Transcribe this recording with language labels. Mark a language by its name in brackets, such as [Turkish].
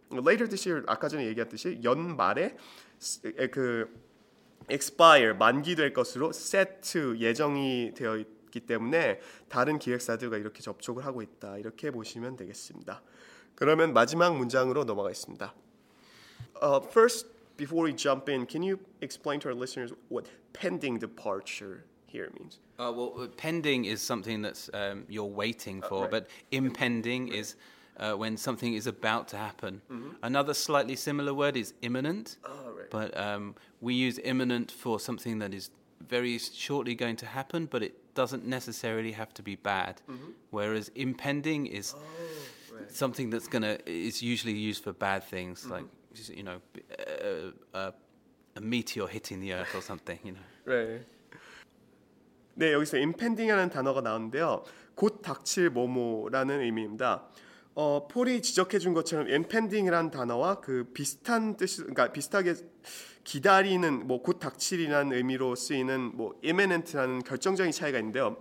[English] Later this year [Korean] 아까 전에 얘기했듯이 연말에 그 expire 만기될 것으로 [English] set to [Korean] 예정이 되어 있 기 때문에 다른 기획사들과 이렇게 접촉을 하고 있다 이렇게 보시면 되겠습니다. 그러면 마지막 문장으로 넘어가겠습니다. [English] First, before we jump in, can you explain to our listeners what pending departure here means? Well, pending is something that's you're waiting for, but impending is when something is about to happen. Mm-hmm. Another slightly similar word is imminent, but we use imminent for something that is very shortly going to happen, but it doesn't necessarily have to be bad. Mm-hmm. Whereas impending is something that's gonna is usually used for bad things, like you know, a meteor hitting the earth or something. You know. Right. [Korean] 네 여기서 impending이라는 단어가 나왔는데요. 곧 닥칠 뭐뭐라는 의미입니다. 폴이 지적해준 것처럼 impending이라는 단어와 그 비슷한 뜻, 그러니까 비슷하게 기다리는 뭐 곧 닥칠이라는 의미로 쓰이는 뭐 imminent라는 결정적인 차이가 있는데요.